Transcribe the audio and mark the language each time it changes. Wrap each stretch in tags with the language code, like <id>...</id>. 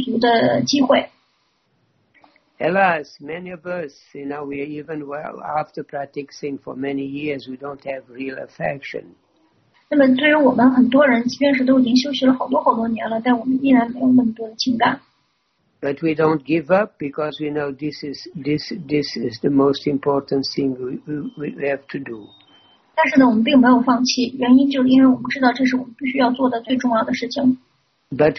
<zh>因为呢，当我们意识到了我们的缺点的时候呢，我们就有了一个去更正，就是提升我们的不足的机会。Alas,</zh> <en>many of us, you know, we even well after practicing for many years, we don't have real affection.</en> <zh>那么，对于我们很多人，即便是都已经修习了好多好多年了，但我们依然没有那么多的情感。But</zh> <en>we don't give up because we know this is the most important thing we have to do.</en> <zh>但是呢，我们并没有放弃，原因就是因为我们知道这是我们必须要做的最重要的事情。But</zh>